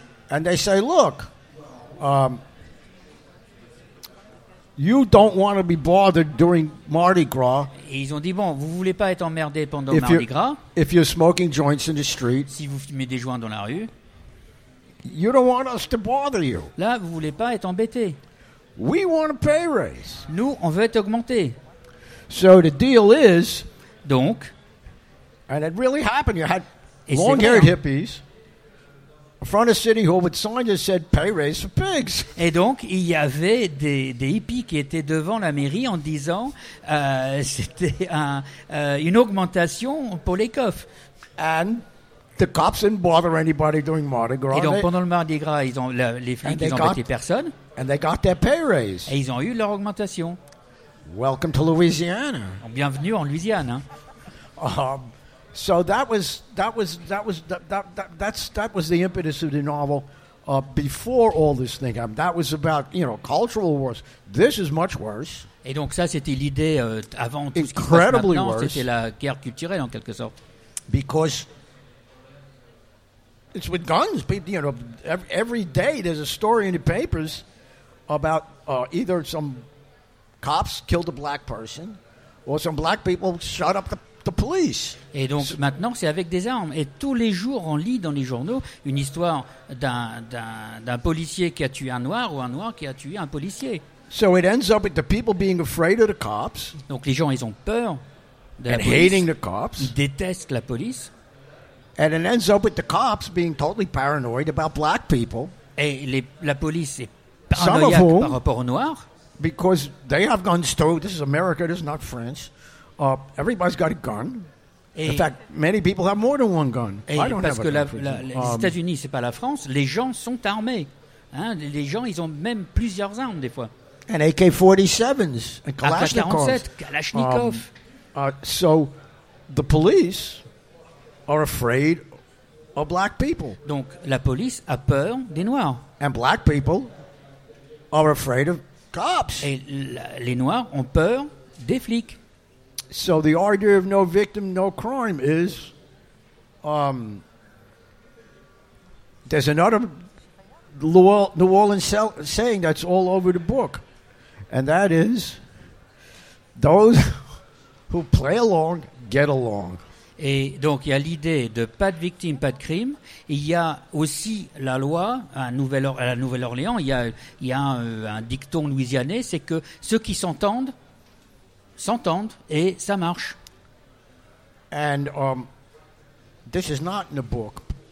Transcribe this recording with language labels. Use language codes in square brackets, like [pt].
[en] And they say, look, you don't want to be bothered during Mardi Gras. [fr] Et ils ont dit, bon, vous voulez pas être emmerdé pendant Mardi Gras. [en] If you're smoking joints in the street. [fr] Si vous fumez des joints dans la rue. [en] You don't want us to bother you. [fr] Là, vous voulez pas être embêté. [en] We want a pay raise. [fr] Nous, on veut être augmenté. [en] So the deal is. [fr] Donc. [en] And it really happened. You had long-haired hippies. Front of City Hall with signs that said pay raise for pigs. [fr] Et donc il y avait des hippies qui étaient devant la mairie en disant c'était une augmentation pour les coffres. [en] And the cops didn't bother anybody during Mardi Gras. [fr] Et donc pendant le Mardi Gras, les flics n'ont embêté personne. [en] And they got their pay raise. [fr] Et ils ont eu leur augmentation. [en] Welcome to Louisiana. [fr] Bienvenue en Louisiane. [en] So that was the impetus of the novel before all this thing happened. That was about, you know, cultural wars. This is much worse. [fr] Et donc ça c'était l'idée avant tout. [en] Incredibly [fr] ce qui se maintenant. C'était la guerre culturelle en quelque sorte. [en] Because it's with guns, people, you know, every day there's a story in the papers about either some cops killed a black person or some black people shot up the police. [fr] Et donc maintenant c'est avec des armes et tous les jours on lit dans les journaux une histoire d'un policier qui a tué un noir ou un noir qui a tué un policier. [en] So it ends up with the people being afraid of the cops. [fr] Donc les gens ils ont peur de la police. [en] And hating the cops. [fr] Ils détestent la police. [en] And it ends up with the cops being totally paranoid about black people. [fr] Et la police est paranoïaque par rapport aux noirs. [en] Because they have guns too. This is America, this is not France. Everybody's got a gun. [fr] Et [en] in fact, many people have more than one gun. I don't [fr] parce [en] have [fr] que [en] a gun. [fr] Les États-Unis, c'est pas la France. Les gens sont armés. Hein? Les gens, ils ont même plusieurs armes des fois. [en] And AK-47s and Kalashnikovs. [fr] Kalashnikov. [en] So the police are afraid of black people. [fr] Donc la police a peur des noirs. [en] And black people are afraid of cops. [fr] Et les noirs ont peur des flics. [en] So the idea of no victim, no crime is there's another New Orleans saying that's all over the book, and that is those who play along get along. [fr] Et donc il y a l'idée de pas de victime, pas de crime. Il y a aussi la loi à Nouvelle-Orléans. Il y a un dicton louisianais, c'est que ceux qui s'entendent s'entendent et ça marche. [en] And this is not in the book.